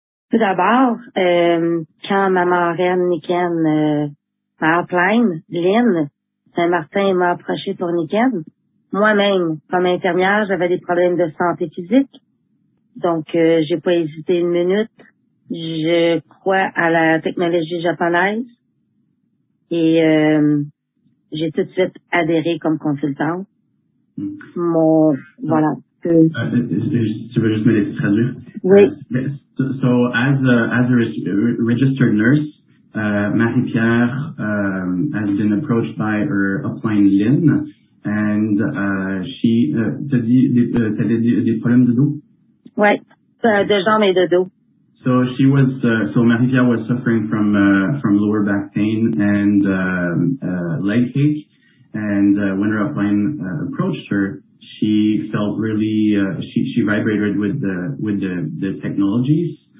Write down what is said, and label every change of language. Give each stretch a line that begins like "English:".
French: Tout d'abord, quand ma marraine Niken m'a appelée, Lynn Saint-Martin m'a approchée pour Niken, moi-même, comme infirmière, j'avais des problèmes de santé physique, donc j'ai pas hésité une minute. Je crois à la technologie japonaise et j'ai tout de suite adhéré comme consultante. Voilà. Tu veux juste me laisser traduire? Oui.
English: So as a registered nurse, Marie-Pierre has been approached by her upline Lynn, and she
French: t'as des problèmes de dos? Ouais, de jambes et de dos.
English: So she was Marie-Pierre was suffering from lower back pain and leg ache, and when her upline approached her, she felt really she vibrated with the technologies.